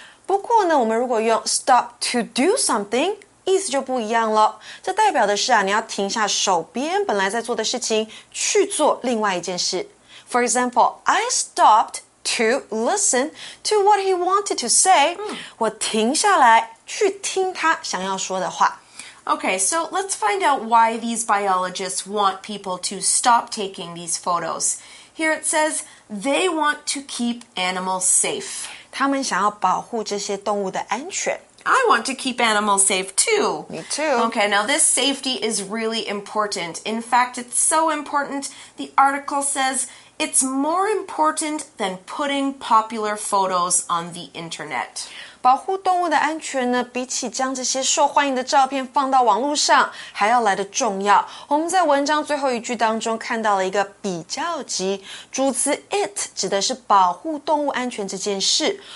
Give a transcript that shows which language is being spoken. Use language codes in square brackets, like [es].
[zh] 不过呢，我们如果用 [en] stop to do something, [zh] 意思就不一样了。这代表的是啊，你要停下手边本来在做的事情，去做另外一件事。 [en] For example, I stopped to listen to what he wanted to say. [zh] 我停下来去听他想要说的话。 [en] Okay, so let's find out why these biologists want people to stop taking these photos. Here it says, they want to keep animals safe. 他们想要保护这些动物的安全。 I want to keep animals safe too. Me too. Okay, now this safety is really important. In fact, it's so important, the article says, it's more important than putting popular photos on the internet. [zh] 保护动物的安全呢，比起将这些受欢迎的照片放到网络上还要来得重要。我们在文章最后一句当中看到了一个比较级，主词 it 指的是保护动物安全这件事。